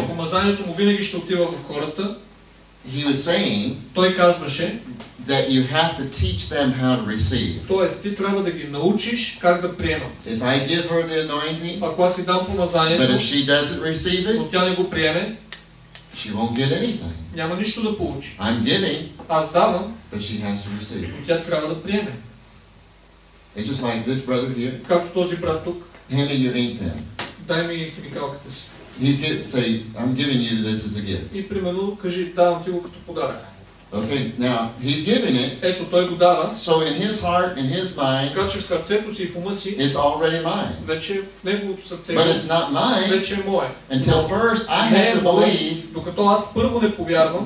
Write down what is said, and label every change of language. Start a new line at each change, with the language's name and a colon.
Bulgarian: че помазанието му винаги ще отива в хората,
English: he was saying,
Bulgarian: той казваше,
English: that you have to teach them how to receive.
Bulgarian: Тоест, ти трябва да ги научиш как да приемат.
English: If I give her the anointing,
Bulgarian: ако аз си дам помазанието,
English: but if she doesn't receive it,
Bulgarian: но тя не го приеме,
English: she won't get anything.
Bulgarian: Няма нищо да получи.
English: I'm giving,
Bulgarian: аз давам,
English: but she has to receive.
Bulgarian: Но тя трябва да приеме.
English: It's just like this brother here.
Bulgarian: Както този брат тук.
English: Hand me your ink pen.
Bulgarian: Дай ми химикалката си.
English: He's giving, say, I'm giving you this as a gift.
Bulgarian: И примерно кажи, давам ти го като подарък.
English: Okay, now he's giving it.
Bulgarian: Ето той го дава.
English: So in his heart, in his mind,
Bulgarian: така че в сърцето си и в ума си,
English: it's already mine.
Bulgarian: Вече в неговото сърце.
English: But it's not mine.
Bulgarian: Вече е мое.
English: Until first I have to believe.
Bulgarian: Докато аз първо не повярвам.